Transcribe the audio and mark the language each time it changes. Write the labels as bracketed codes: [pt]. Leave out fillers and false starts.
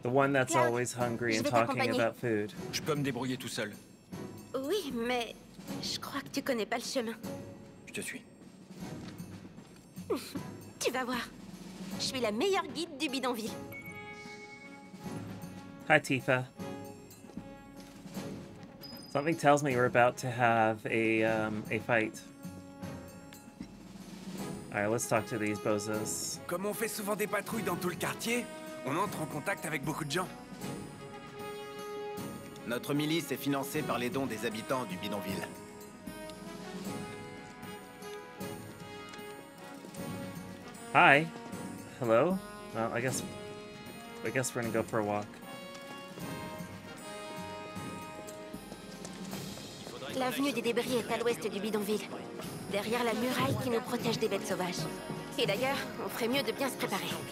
[en] The one that's Cloud, always hungry and talking about food. [fr] Je peux me débrouiller tout seul. Oui, mais je crois que tu connais pas le chemin. Je te suis. Tu vas voir. Je suis la meilleure guide du bidonville. [en] Hi Tifa. Something tells me we're about to have a fight. Alright, let's talk to these bozos. [fr] Comme on fait souvent des patrouilles dans tout le quartier, on entre en contact avec beaucoup de gens. Notre milice est financée par les dons des habitants du bidonville. [en] Hi. Hello. Well, I guess we're gonna go for a walk. [fr] L'avenue des débris est à l'ouest du bidonville, derrière la muraille qui nous protège des bêtes sauvages. Et d'ailleurs, on ferait mieux de bien se préparer.